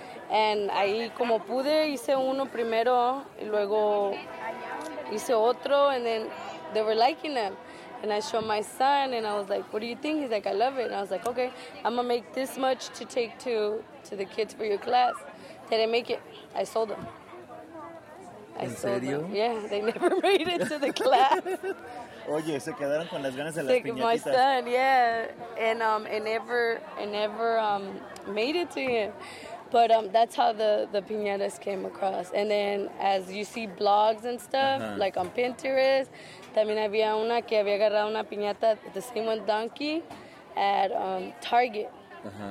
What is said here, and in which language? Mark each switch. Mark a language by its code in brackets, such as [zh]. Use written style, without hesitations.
[en] And [es] ahí como pude hice uno primero y luego hice otro [en] and then they were liking them and I showed my son and I was like, what do you think? He's like, I love it. And I was like, okay, I'm gonna make this much to take to the kids for your class. Did I make it? I sold them. [es] ¿En serio? [en] Yeah, they never made it to the class. [es] Oye, se quedaron con las ganas de las piñatitas. [en] My son, yeah, and never made it to him. But that's how the piñatas came across. And then as you see blogs and stuff, uh-huh. like on Pinterest, [es] también había una que había agarrado una piñata, [en] the same one donkey, at Target. [es] Uh-huh.